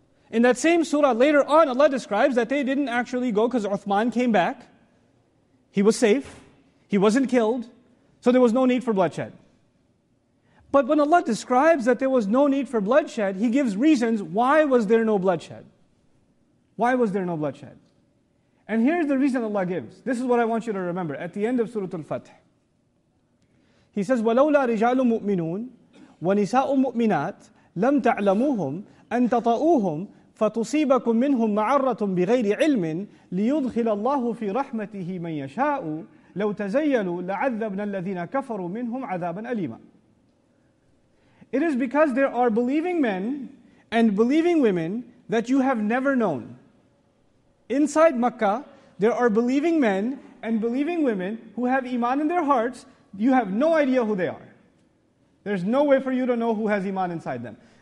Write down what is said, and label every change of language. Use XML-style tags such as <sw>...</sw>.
<en>In that same surah later on, Allah describes that they didn't actually go because Uthman came back. He was safe. He wasn't killed. So there was no need for bloodshed. But when Allah describes that there was no need for bloodshed, He gives reasons why was there no bloodshed. Why was there no bloodshed? And here's the reason Allah gives. This is what I want you to remember. At the end of Surah Al-Fatih, He says,</en> <ar>وَلَوْلَا رِجَالٌ مُؤْمِنُونَ وَنِسَاءٌ مُؤْمِنَاتٌ لَمْ تَعْلَمُوهُمْ أَنْ تَطَأُوهُمْ فَتُصِيبَكُمْ مِنْهُمْ مَعَرَّةٌ بِغَيْرِ عِلْمٍ لِيُدْخِلَ اللَّهُ فِي رَحْمَتِهِ مَنْ يَشَاءُ لَوْ تَزَيَّلُوا لَعَذَّبْنَا الَّذِينَ كَفَرُوا مِنْهُمْ عَذَابًا أَلِيمًا.</ar> <en>It is because there are believing men and believing women that you have never known. Inside Makkah, there are believing men and believing women who have iman in their hearts. You have no idea who they are. There's no way for you to know who has iman inside them.</en>